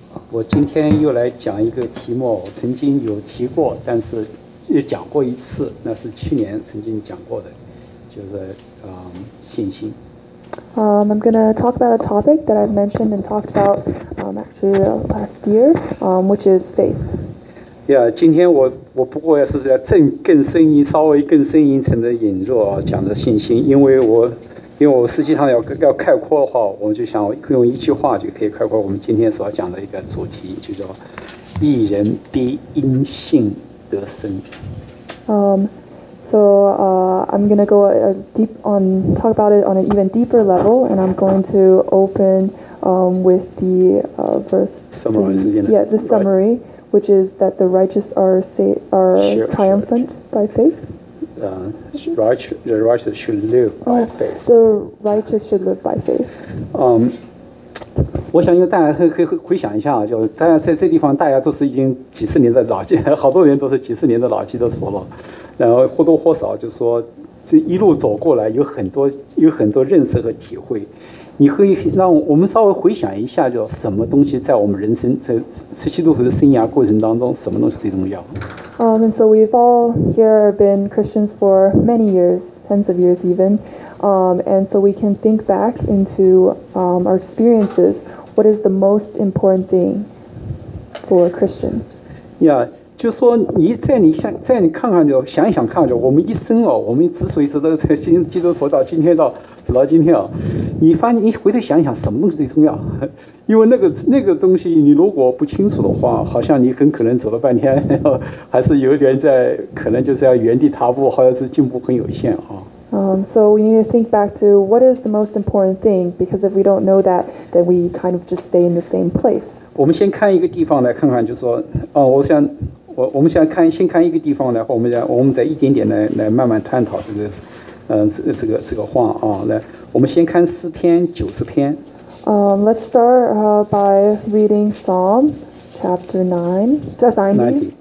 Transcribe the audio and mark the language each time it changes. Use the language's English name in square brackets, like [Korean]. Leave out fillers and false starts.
[Chinese] 我今天又来讲一个题目，我曾经有提过，但是也讲过一次，那是去年曾经讲过的，就是信心。 [English] I'm going to talk about a topic that I've mentioned and talked about actually last year, which is faith. [Chinese] Yeah, 今天我不过是在稍微更深一层的引入啊，讲的信心，因为我实际上要概括的话，我就想用一句话就可以概括我们今天所讲的一个主题，就叫义人必因信得生。 [English] I'm going to go talk about it on an even deeper level, and I'm going to open with the verse. The summary, which is that the righteous are triumphant by faith. The righteous should live by faith. The righteous should live by faith. [Chinese] 我想，因为大家可以回想一下，就是大家在这地方，大家都是已经几十年的老基，好多人都是几十年的老基督徒了。然后或多或少就说这一路走过来有很多认识和体会，你可以让我们稍微回想一下，就什么东西在我们人生这十七度的生涯过程当中什么东西最重要。 [English] And so we've all here been Christians for many years, tens of years even, and so we can think back into our experiences. What is the most important thing for Christians? Yeah. [Chinese] 就说你在你想在你看看就想一想看就我们一生哦，我们之所以是这个基督徒到今天到直到今天你发现你回头想一想什么东西最重要，因为那个东西你如果不清楚的话，好像你很可能走了半天还是有点在可能就是要原地踏步，好像是进步很有限啊。 [English] So we need to think back to what is the most important thing, because if we don't know that, then we kind of just stay in the same place. [Chinese] 我们先看一个地方来看看，就说我们先看一个地方来，我们再一点点来慢慢探讨这个，这个话啊。来，我们先看诗篇九十篇。 [English] Let's start by reading Psalm chapter 90.